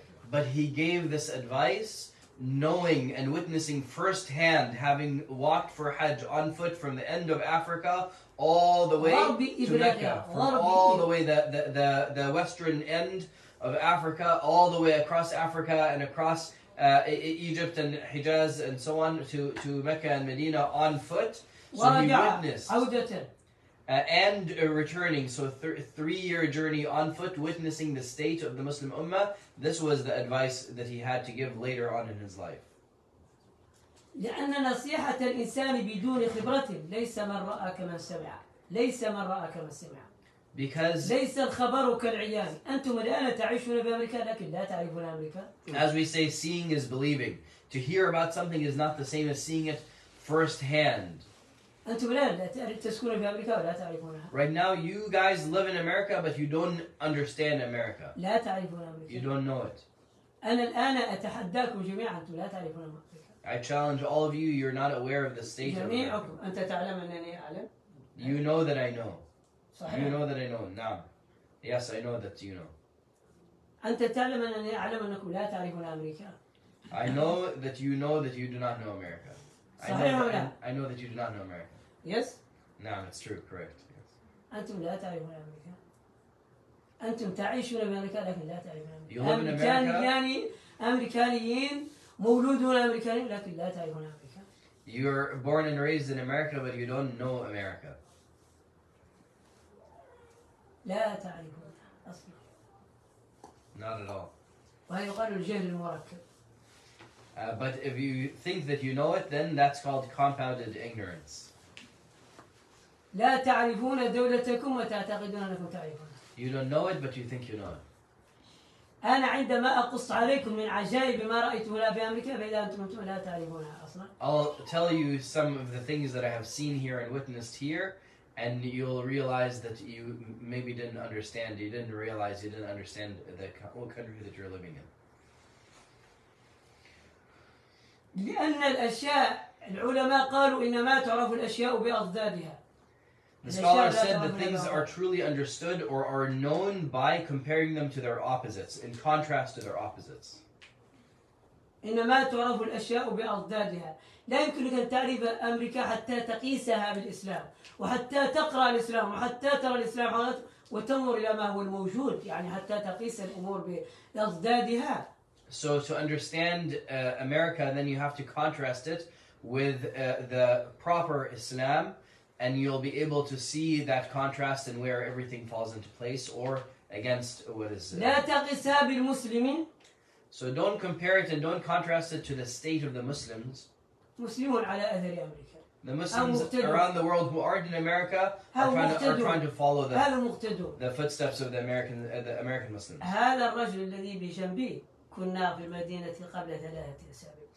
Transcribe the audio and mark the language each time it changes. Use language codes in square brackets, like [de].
[en] But he gave this advice knowing and witnessing firsthand, having walked for Hajj on foot from the end of Africa all the way to Mecca, from all the way the western end of Africa, all the way across Africa and across Egypt and Hijaz and so on to Mecca and Medina on foot. So he witnessed and returning, so three-year journey on foot, witnessing the state of the Muslim Ummah. This was the advice that he had to give later on in his life. [ar] لأن نصيحة الإنسان بدون خبرة ليس من رأى كمن سمع. ليس من رأى كما سمع. [en] Because [ar] ليس الخبر كالعيان. أنتم الآن تعيشون في أمريكا لكن لا تعرفون أمريكا. [en] As we say, seeing is believing. To hear about something is not the same as seeing it firsthand. [ar] أنتم الآن تسكنون في أمريكا ولا تعرفونها. [en] Right now, you guys live in America, but you don't understand America. [ar] لا تعرفون أمريكا. [en] You don't know it. [ar] أنا الآن أتحداكم جميعا أنتم لا تعرفون أمريكا. [en] I challenge all of you, you're not aware of the state of [ar] America. أنت تعلم أنني أعلم. [en] You know that I know. [ar] صحيح. [en] You know that I know. [ar] نعم. [en] Yes, I know that you know. [ar] أنت تعلم أنني أعلم أنكم لا تعرفون أمريكا. [en] I know that you know that you do not know America. [ar] صحيح أم لا؟ [en] I know that you do not know America. Yes? [ar] نعم, [en] it's true, correct. Yes. [ar] أنتم لا تعرفون أمريكا. أنتم تعيشون أمريكا لكن لا تعرفون [en] أمريكا. You live in America. [ar] أمريكانيين. مولودون أمريكيين لكن لا تعرفون أمريكا. [en] You're born and raised in America, but you don't know America. [ar] لا تعرفون أصلاً. [en] Not at all. [ar] وهذا يقال الجهل المركب. [en] But if you think that you know it, then that's called compounded ignorance. [ar] لا تعرفون دولتكم وتعتقدون أنكم تعرفون. [en] You don't know it, but you think you know it. [ar] أنا عندما أقص عليكم من عجائب ما رأيت هنا في أمريكا فإذا أنتم لا تعرفونها أصلاً. [en] I'll tell you some of the things that I have seen here and witnessed here, and you'll realize that you maybe didn't understand, you didn't realize, you didn't understand the what country that you're living in. [ar] لأن الأشياء العلماء قالوا إنما تعرف الأشياء بأضدادها. [en] The scholar said that things are truly understood or are known by comparing them to their opposites, in contrast to their opposites. [ar] إنما تعرف الأشياء بأضدادها. لا يمكنك أن تعرف أمريكا حتى تقيسها بالإسلام وحتى تقرأ الإسلام وحتى ترى الإسلام وتنظر إلى ما هو الموجود. يعني حتى تقيس الأمور بأضدادها. [en] So to understand America, then you have to contrast it with the proper Islam. And you'll be able to see that contrast and where everything falls into place or against what is [ar] لا تقيسها بالمسلمين. [en] So don't compare it and don't contrast it to the state of the Muslims. [ar] مسلمون على أثر أمريكا. [en] The Muslims around the world who aren't in America are trying to follow the footsteps of the American Muslims. [ar] هذا الرجل الذي بجنبي كنا في المدينة قبل ثلاثة أسابيع.